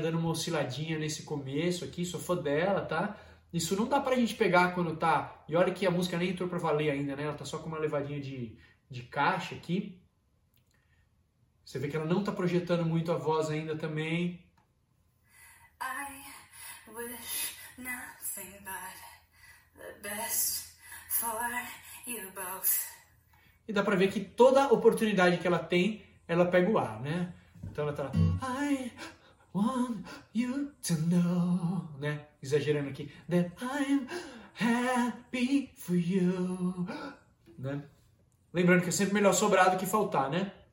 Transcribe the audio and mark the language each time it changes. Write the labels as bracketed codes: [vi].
[pt] Dando uma osciladinha nesse começo aqui, sou fã dela, tá? Isso não dá pra gente pegar quando tá... E olha que a música nem entrou pra valer ainda, né? Ela tá só com uma levadinha de caixa aqui. Você vê que ela não tá projetando muito a voz ainda também. [en] I wish nothing but the best for you both. [pt] E dá pra ver que toda oportunidade que ela tem, ela pega o ar, né? Então ela tá lá, [en] I want you to know, [pt] né? Exagerando aqui. [en] That I'm happy for you. [pt] Né? Lembrando que é sempre melhor sobrar do que faltar, né?